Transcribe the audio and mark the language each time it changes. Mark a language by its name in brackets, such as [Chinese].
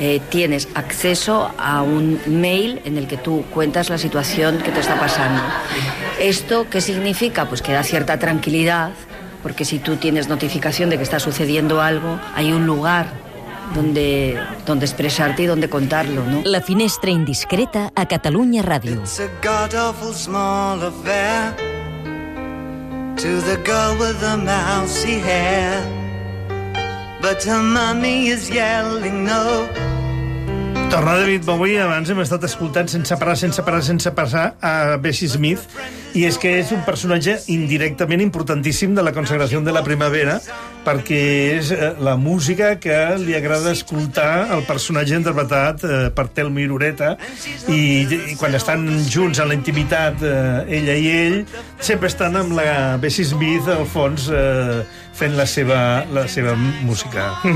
[Spanish] tienes acceso a un mail en el que tú cuentas la situación que te está pasando. ¿Esto qué significa? Pues que da cierta tranquilidad porque si tú tienes notificación de que está sucediendo algo, hay un lugar donde, donde expresarte y donde contarlo, ¿no? [Catalan] La finestra indiscreta a Catalunya Ràdio. [English] It's a god-awful small affair to the girl with the mousy hair, but her mommy is yelling no. [Catalan] Tornar de ritme avui, abans hem estat escoltant sense parar a Bessie Smith, i és que és un personatge indirectament importantíssim de la Consagració de la Primavera, perquè és la música que li agrada escoltar al personatge interpretat per Telmo i Loretta, i quan estan junts en la intimitat, ella i ell, sempre estan amb la Bessie Smith al fons fent la seva música.